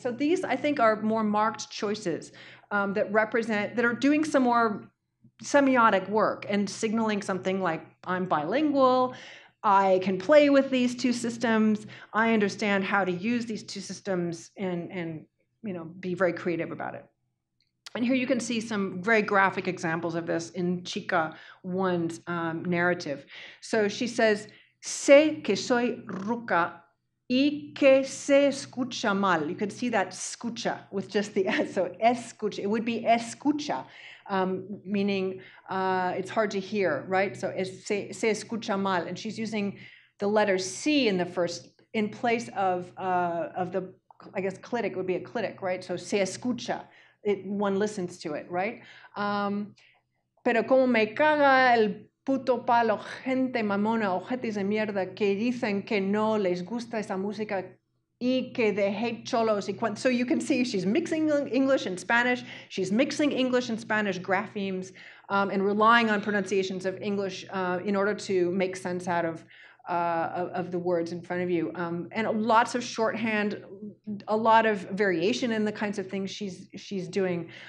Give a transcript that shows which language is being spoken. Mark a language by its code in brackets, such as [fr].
[en] So these, I think, are more marked choices. That are doing some more semiotic work and signaling something like I'm bilingual, I can play with these two systems. I understand how to use these two systems and you know, be very creative about it. And here you can see some very graphic examples of this in Chica One's narrative. So she says, [es] sé que soy ruca y que se escucha mal. [en] You can see that escucha with just the S. So escucha, it would be escucha, meaning it's hard to hear, right? So [es] se escucha mal. [en] And she's using the letter C in the first, in place of the, I guess, clitic would be a clitic, right? So [es] se escucha. [en] It, one listens to it, right? [es] Pero como me caga el puto palo, gente mamona, ojetes de mierda, que dicen que no les gusta esa música y que de hate cholos. [en] So you can see she's mixing English and Spanish. She's mixing English and Spanish graphemes and relying on pronunciations of English in order to make sense out of the words in front of you. And lots of shorthand, a lot of variation in the kinds of things she's doing.